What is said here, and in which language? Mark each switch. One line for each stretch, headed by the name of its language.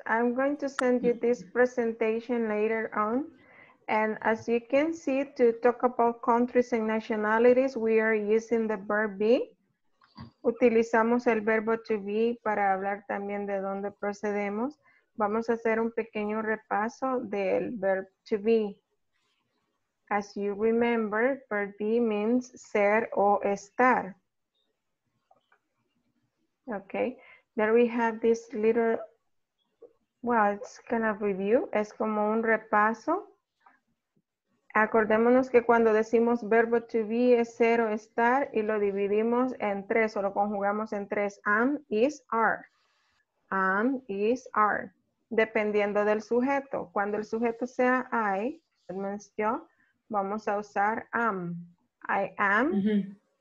English: I'm going to send you this presentation later on. And as you can see, to talk about countries and nationalities, we are using the verb be.
Spanish: Utilizamos el verbo to be para hablar también de dónde procedemos. Vamos a hacer un pequeño repaso del verb to be.
English: As you remember, verb be means
Spanish: ser o estar.
English: Okay, there we have this little, well, it's kind of review.
Spanish: Es como un repaso. Acordémonos que cuando decimos verbo to be es ser o estar y lo dividimos en tres o lo conjugamos en tres.
English: Am, is, are. Am, is, are.
Spanish: Dependiendo del sujeto. Cuando el sujeto sea I, vamos a usar am.
English: I am.